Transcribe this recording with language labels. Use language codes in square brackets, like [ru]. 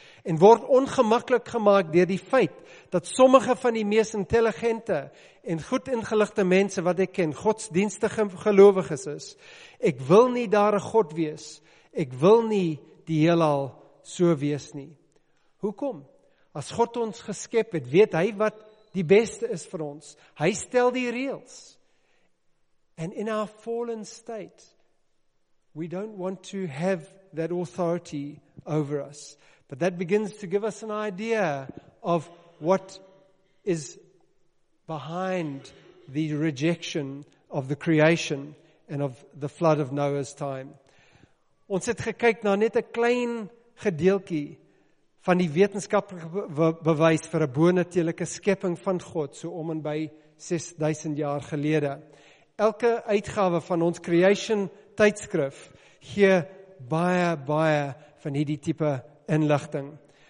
[af] En word ongemaklik gemaak deur die feit dat sommige van die mees intelligente en goed ingeligte mense wat ek ken, godsdienstige gelowiges is. Ek wil nie daar 'n God wees. Ek wil nie die heelal so wees nie. Hoekom? As God ons geskep het, weet hy wat die beste is vir ons. Hy stel die reëls. [en] And in our fallen state, we don't want to have that authority over us. But that begins to give us an idea of what is behind the rejection of the creation and of the flood of Noah's time. [af] Ons het gekyk na net 'n klein gedeeltjie van die wetenskaplike bewys vir 'n bonatuurlike skepping van God so om en by 6000 jaar gelede. Elke uitgawe van ons creation tydskrif gee baie van hierdie tipe inligting.